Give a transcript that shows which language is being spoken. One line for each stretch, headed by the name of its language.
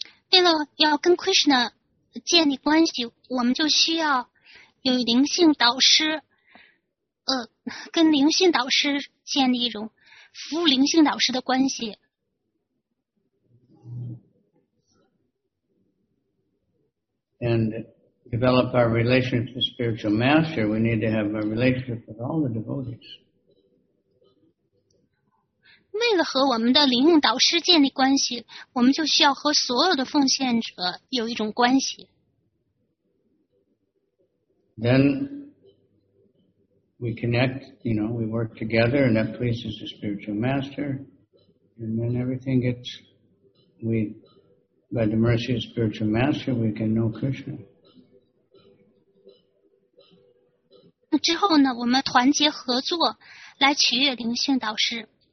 Chinese: 为了要跟 Krishna 建立关系，我们就需要有灵性导师，跟灵性导师建立一种服务灵性导师的关系。
English: And develop our relationship with spiritual master, we need to have a relationship with all the devotees.
Chinese: 为了和我们的灵性导师建立关系，我们就需要和所有的奉献者有一种关系。
English: Then we connect, you know, we work together, and that pleases the spiritual master. And then everything gets, we, by the mercy of spiritual master, we can know Krishna.
Chinese: 那之后呢，我们团结合作来取悦灵性导师。